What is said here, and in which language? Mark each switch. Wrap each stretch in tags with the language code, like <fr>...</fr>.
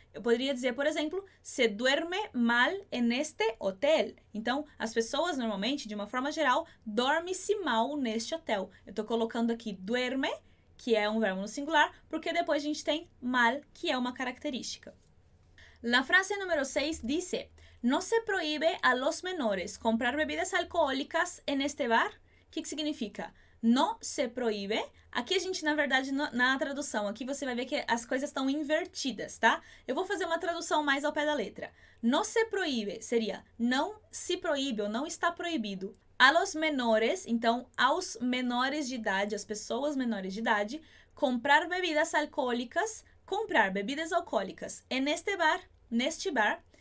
<pt>Eu poderia dizer, por exemplo,</pt> <es>se duerme mal en este hotel.</es> <pt>Então, as pessoas normalmente, de uma forma geral, dorme-se mal neste hotel. Eu estou colocando aqui duerme, que é um verbo no singular, porque depois a gente tem mal, que é uma característica.</pt> <es>La frase número 6 dice: no se prohíbe a los menores comprar bebidas alcoólicas en este bar.</es> <pt>O que significa?</pt> <es>No se prohíbe.</es> <pt>Aqui a gente, na verdade, na tradução, aqui você vai ver que as coisas estão invertidas, tá? Eu vou fazer uma tradução mais ao pé da letra.</pt> <es>No se prohíbe</es> <pt>seria não se proíbe ou não está proibido</pt> <es>a los menores,</es> <pt>então aos menores de idade, as pessoas menores de idade, comprar bebidas alcoólicas, comprar bebidas alcoólicas</pt> <es>en este bar,</es> <pt>neste bar.</pt>